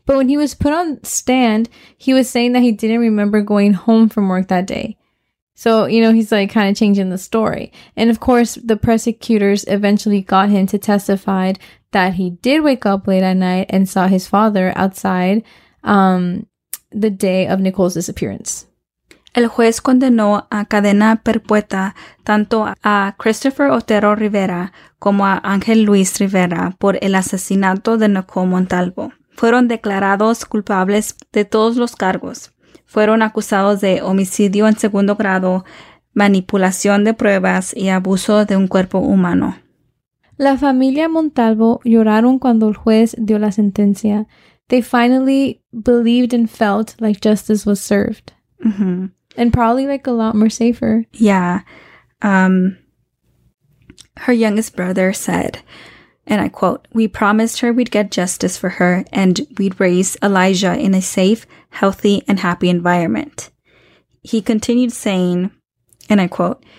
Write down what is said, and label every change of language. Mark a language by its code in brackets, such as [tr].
[en] But when he was put on stand, he was saying that he didn't remember going home from work that day. So, you know, he's like kind of changing the story. And of course, the prosecutors eventually got him to testify that he did wake up late at night and saw his father outside the day of Nicole's disappearance. [es] El juez condenó a cadena perpetua tanto a Christopher Otero Rivera como a Ángel Luis Rivera por el asesinato de Nicole Montalvo. Fueron declarados culpables de todos los cargos. Fueron acusados de homicidio en segundo grado, manipulación de pruebas y abuso de un cuerpo humano. La familia Montalvo lloraron cuando el juez dio la sentencia. [en] They finally believed and felt like justice was served. Mm-hmm. And probably, like, a lot more safer. Yeah. Her youngest brother said, and I quote, "We promised her we'd get justice for her and we'd raise Elijah in a safe, healthy, and happy environment." He continued saying, and I quote,